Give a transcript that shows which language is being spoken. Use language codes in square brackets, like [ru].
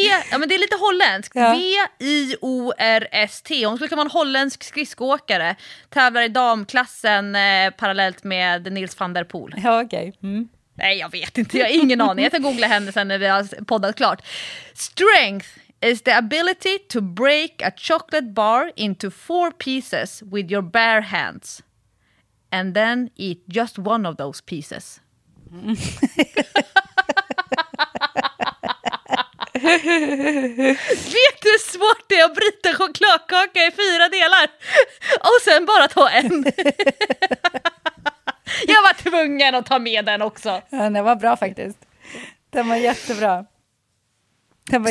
[sv] men det är lite holländsk. Ja. V-I-O-R-S-T. Hon skulle kunna vara en holländsk skridskåkare. Tävlar i damklassen parallellt med Nils van der Poel. Ja, okej. Okay. Mm. Nej, jag vet inte. Jag har ingen aning. Jag ska googla henne sen när vi har poddat klart. [en] Strength is the ability to break a chocolate bar into 4 pieces with your bare hands. And then eat just one of those pieces. [sv] Vet du hur svårt det är att bryta chokladkaka i 4 delar och sen bara ta en? Jag var tvungen att ta med den också. Ja, den var bra faktiskt. Den var jättebra. Den var